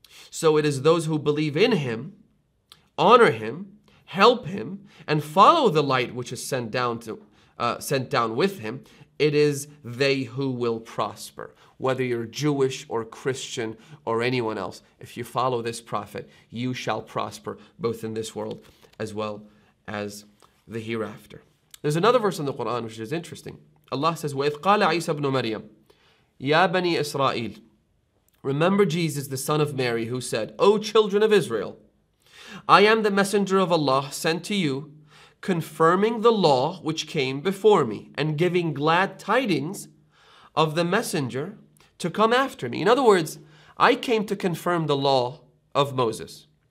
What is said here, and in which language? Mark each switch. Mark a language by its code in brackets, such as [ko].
[en] So it is those who believe in him, honor him, help him, and follow the light which is sent down with him. It is they who will prosper, whether you're Jewish or Christian or anyone else. If you follow this prophet, you shall prosper both in this world as well as the hereafter. There's another verse in the Quran which is interesting. Allah says, [ar] وَإِذْ قَالَ عِيسَى بْنُ مَرْيَمْ يَا بَنِي إِسْرَائِيلِ. [en] Remember Jesus, the son of Mary, who said, O children of Israel, I am the messenger of Allah sent to you, confirming the law which came before me and giving glad tidings of the messenger to come after me. In other words, I came to confirm the law of Moses.